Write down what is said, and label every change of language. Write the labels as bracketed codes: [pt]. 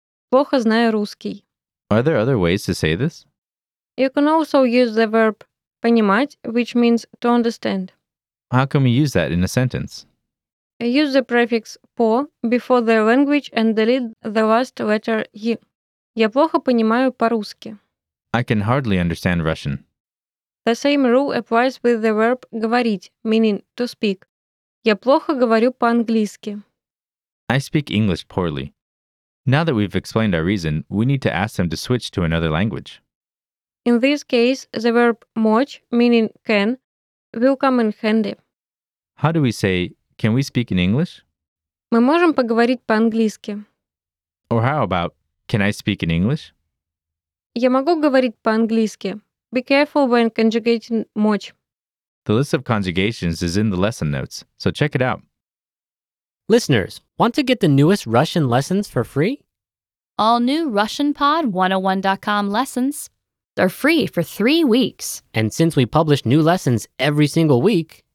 [ru] Плохо знаю русский. [en] Are there other ways to say this? You can also use the verb понимать, which means to understand. How can we use that in a sentence? Use the prefix по before the language and delete the last letter е. [ru] Я плохо понимаю по-русски. [en] I can hardly understand Russian. The same rule applies with the verb говорить, meaning to speak. [ru] Я плохо говорю по-английски. [en] I speak English poorly. Now that we've explained our reason, we need to ask them to switch to another language. In this case, the verb мочь, meaning can, will come in handy. How do we say, can we speak in English? [ru] Мы можем поговорить по-английски. [en] Or how about, can I speak in English? [ru] Я могу говорить по-английски. [en] Be careful when conjugating мочь. The list of conjugations is in the lesson notes, so check it out. Listeners, want to get the newest Russian lessons for free? All new RussianPod101.com lessons are free for 3 weeks. And since we publish new lessons every single week,